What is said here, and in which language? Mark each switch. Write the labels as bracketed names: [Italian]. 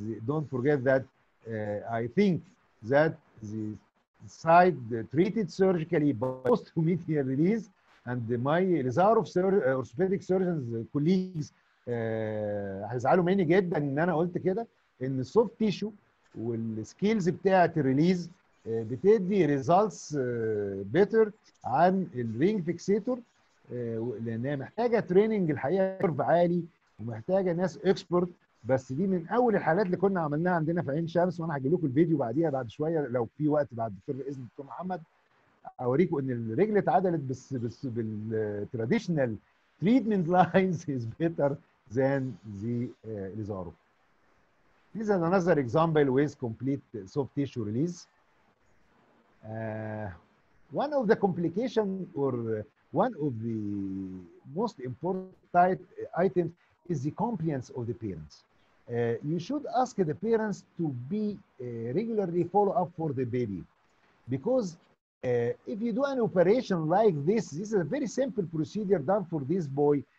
[English] Don't forget that I think that the side treated surgically post-medial release, and my Elizarov orthopedic surgeons colleagues [Arabic] هزعلوا مني جدا ان انا قلت كده ان [English] soft tissue والskills بتاعت release بتدي results better عن الring fixator. [Arabic] لانها محتاجه تريننج الحقيقه كيرف عالي ومحتاجه ناس اكسبرت، بس دي من اول الحالات اللي كنا عملناها عندنا في عين شمس، وانا هجيب لكم الفيديو بعديها بعد شويه لو في وقت بعد اذن الدكتور محمد، اوريكم ان الرجل اتعدلت بس بالتراديشنال تريتمنت [English] Lines is better than the Ilizarov. This is another example with complete soft tissue release. One of the complication or one of the most important items is the compliance of the parents. You should ask the parents to be regularly follow up for the baby, because if you do an operation like this, this is a very simple procedure done for this boy.